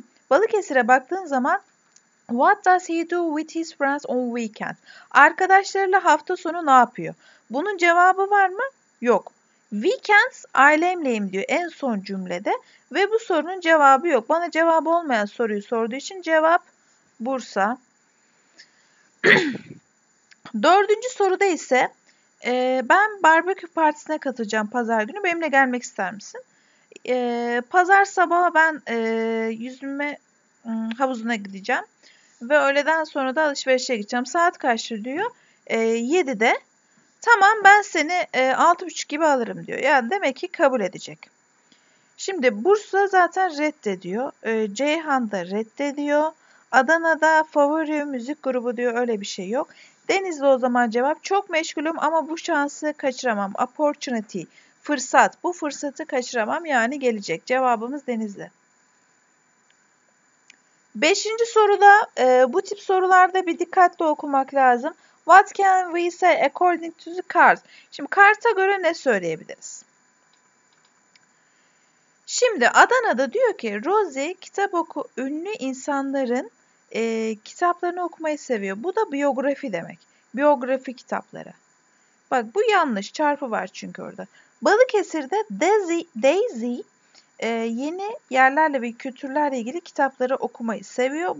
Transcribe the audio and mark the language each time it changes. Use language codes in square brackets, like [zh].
[tr] Balıkesir'e baktığın zaman [en] What does he do with his friends on weekend? [tr] Arkadaşlarıyla hafta sonu ne yapıyor? Bunun cevabı var mı? Yok. Weekends ailemleyim diyor en son cümlede ve bu sorunun cevabı yok. Bana cevabı olmayan soruyu sorduğu için cevap Bursa. Dördüncü soruda ise ben barbekü partisine katılacağım pazar günü. Benimle gelmek ister misin? Pazar sabahı ben yüzme havuzuna gideceğim ve öğleden sonra da alışverişe gideceğim. Saat kaçtı diyor? 7'de. Tamam, ben seni 6.30 gibi alırım diyor. Yani demek ki kabul edecek. Şimdi Bursa zaten reddediyor. Ceyhan da reddediyor. Adana'da favori müzik grubu diyor. Öyle bir şey yok. Denizli o zaman cevap. Çok meşgulüm ama bu şansı kaçıramam. Opportunity. Fırsat. Bu fırsatı kaçıramam. Yani gelecek. Cevabımız Denizli. Beşinci soruda bu tip sorularda bir dikkatli okumak lazım. [en] What can we say according to the cards? [tr] Şimdi karta göre ne söyleyebiliriz? Şimdi Adana'da diyor ki Rosie kitap oku ünlü insanların kitaplarını okumayı seviyor. Bu da biyografi demek. Biyografi kitapları. Bak bu yanlış. Çarpı var çünkü orada. Balıkesir'de Daisy yeni yerlerle ve kültürlerle ilgili kitapları okumayı seviyor.